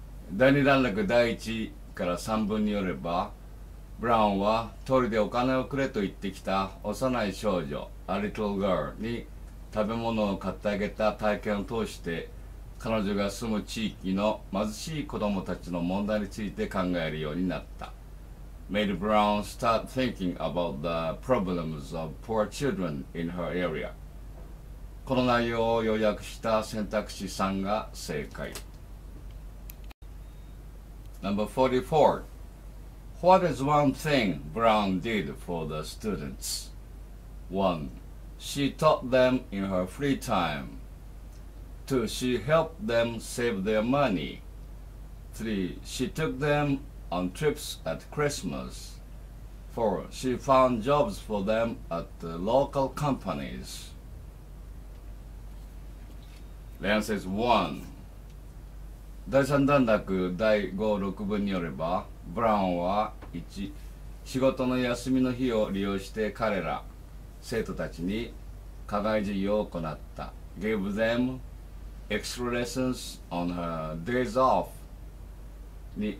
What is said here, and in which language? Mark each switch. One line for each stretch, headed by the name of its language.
Japanese: 第二段落第一から3文によれば、ブラウンは通りでお金をくれと言ってきた幼い少女、
English: a little girl
Japanese: に食べ物を買ってあげた体験を通して、彼女が住む地域の貧しい子どもたちの問題について考えるようになった。
English: Made Brown start thinking about the problems of poor children in her area.
Japanese: この内容を要約した選択肢3が正解。
English: No. 44. What is one thing Brown did for the students? 1. She taught them in her free time. 2. She helped them save their money. 3. She took them on trips at Christmas. 4. She found jobs for them at the local companies. The answer is 1.
Japanese: 第3段落第5、6文によれば、ブラウンは1、仕事の休みの日を利用して彼ら、生徒たちに課外授業を行った。
English: Gave them extra lessons on her days off. 2.